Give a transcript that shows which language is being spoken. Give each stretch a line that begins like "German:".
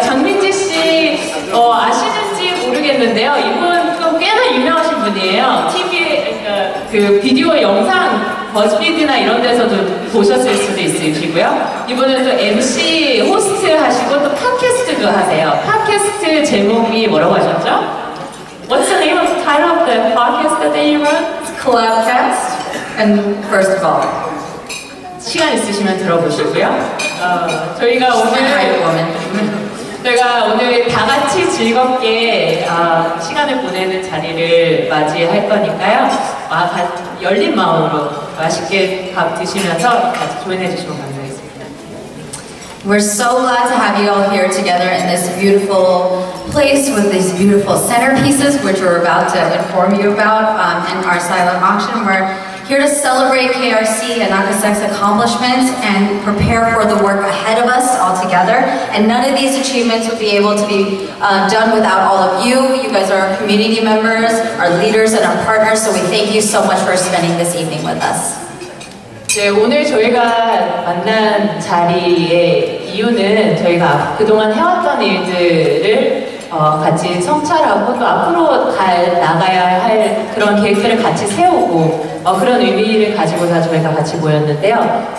Korean: 장민지씨 아시는지 모르겠는데요. 이분 꽤나 유명하신 분이에요. TV에 그 비디오 영상 버즈피드나 이런 데서도 보셨을 수도 있으시고요. 이번에 또 MC 호스트 하시고 또 팟캐스트도 하세요. 팟캐스트 제목이 뭐라고 하셨죠?
English: What's the name of the title of the podcast that you run? Collabcast and First of All.
Korean: 시간 있으시면 들어보시고요. 저희가 오늘 제가 오늘 다 같이 즐겁게 시간을 보내는 자리를 맞이할 거니까요. 열린 마음으로 맛있게 밥 드시면서 같이 조인해 주시면 감사하겠습니다.
English: We're so glad to have you all here together in this beautiful place with these beautiful centerpieces which we're about to inform you about in our silent auction. We're here to celebrate KRC and Nakasa's accomplishments and prepare for the work ahead of us all together. And none of these achievements would be able to be done without all of you. You guys are our community members, our leaders, and our partners. So we thank you so much for spending this evening with us.
Korean: 네, 오늘 저희가 만난 자리의 이유는 저희가 그동안 해왔던 일들을 같이 성찰하고 또 앞으로 나가야 할 그런 계획들을 같이 세우고 그런 의미를 가지고서 저희가 같이 모였는데요.